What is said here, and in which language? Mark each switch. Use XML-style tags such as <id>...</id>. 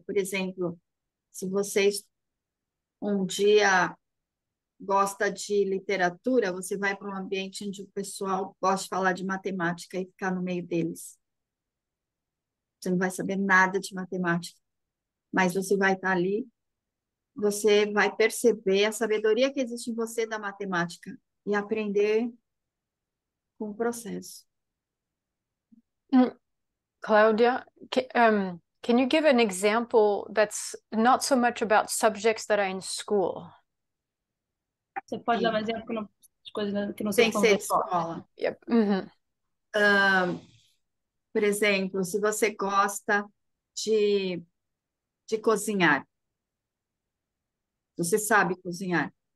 <pt>Por exemplo, se vocês um dia gosta de literatura, você vai para um ambiente onde o pessoal gosta de falar de matemática e ficar no meio deles. Você não vai saber nada de matemática, mas você vai estar ali. Você vai perceber a sabedoria que existe em você da matemática e aprender com o processo.</pt> <en>Claudia, can you give an example that's not so much about subjects that are in school?</en> <pt>Você pode dar um exemplo de coisas que não Tem que sejam tão ser de retórica? escola.</pt> <en>Yep.</en> <pt>Por exemplo, se você gosta de cozinhar. Você sabe cozinhar.</pt>